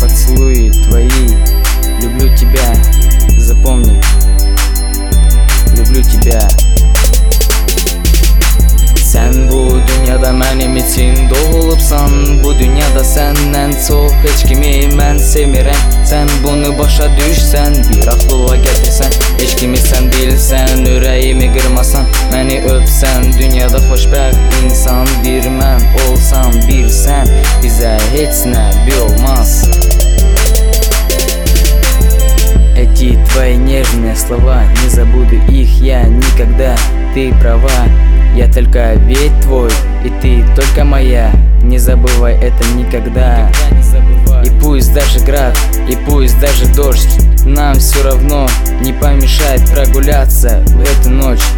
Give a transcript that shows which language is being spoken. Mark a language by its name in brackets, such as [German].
[Russian] Поцелуи твои, люблю тебя, запомни, люблю тебя. [Azerbaijani] Sən bu dünyada mənim için doğulubsan. Bu dünyada səndən çox heç kimi mən sevmirəm. Sən bunu başa düşsən, bir aklıva gətirsən. Heç kimi sən bilsən, ürəyimi qırmasan. Məni öpsən, dünyada xoşbəxt insan. Bir mən olsam, bir sən, bizə heç nə bir olmaz. [Russian] Эти твои нежные слова, не забуду их я никогда. Ты права, я только ведь твой, и ты только моя. Не забывай это никогда, никогда не забывай. И пусть даже град, и пусть даже дождь, нам все равно не помешает прогуляться в эту ночь.